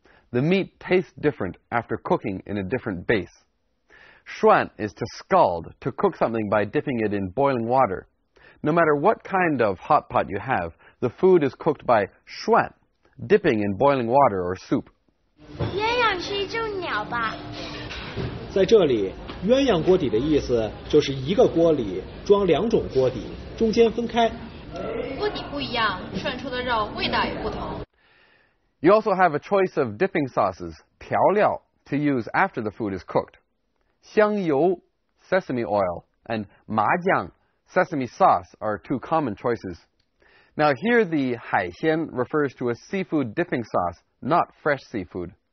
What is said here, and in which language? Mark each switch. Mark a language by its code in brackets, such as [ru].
[en] The meat tastes different after cooking in a different base. 涮 is to scald, to cook something by dipping it in boiling water. No matter what kind of hot pot you have, the food is cooked by 涮, dipping in boiling water or soup. [zh] 鸳鸯是一种鸟吧？在这里，鸳鸯锅底的意思就是一个锅里装两种锅底，中间分开。锅底不一样，涮出的肉味道也不同。 [en] You also have a choice of dipping sauces, 调料, to use after the food is cooked. 香油, sesame oil, and 麻酱, sesame sauce, are two common choices. Now here the 海鲜 refers to a seafood dipping sauce, not fresh seafood.